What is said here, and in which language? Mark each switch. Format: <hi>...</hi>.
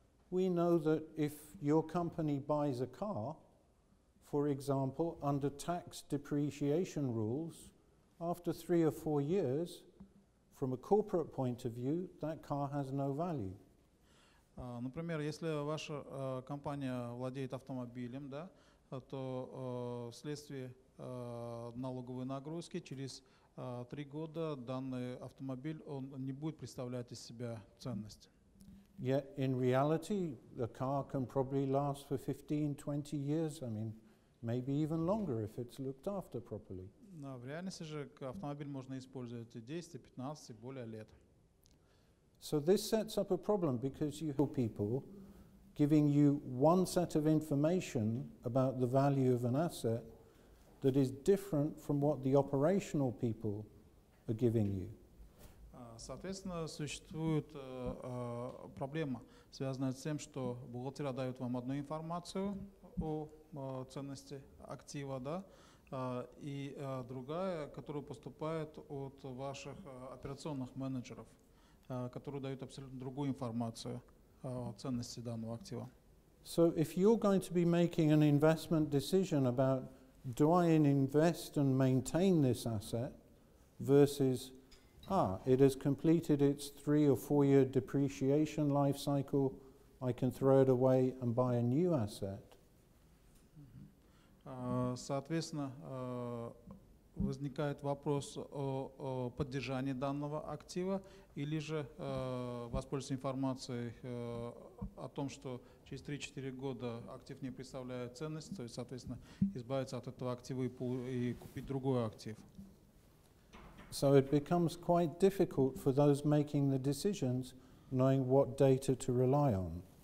<en>We know that if your company buys a car, for example, under tax depreciation rules, after 3 or 4 years, from a corporate point of view, that car has no value.</en> <ru>Например, если ваша компания владеет автомобилем, да, то вследствие налоговой нагрузки через 3 года данный автомобиль он не будет представлять из себя ценность.</ru> <en>Yet in reality, the car can probably last for 15, 20 years. I mean, maybe even longer if it's looked after properly.</en> <ru>Но в реальности же автомобиль можно использовать и 10, и 15, и более лет.</ru> <en>So this sets up a problem because you have people giving you one set of information about the value of an asset that is different from what the operational people are giving you.</en> <ru>Соответственно, существует проблема, связанная с тем, что бухгалтера дают вам одну информацию о ценности актива, да, и другая, которая поступает от ваших операционных менеджеров, которые дают абсолютно другую информацию о ценности данного актива.</ru> <en>So if you're going to be making an investment decision about do I invest and maintain this asset versus it has completed its 3 or 4 year depreciation life cycle, I can throw it away and buy a new asset.</en> <ru>Соответственно, возникает вопрос о поддержании данного актива или же воспользоваться информацией о том, что через 3-4 года актив не представляет ценность, то есть, соответственно, избавиться от этого актива и купить другой актив.</ru> <en>So it becomes quite difficult for those making the decisions knowing what data to rely on.</en>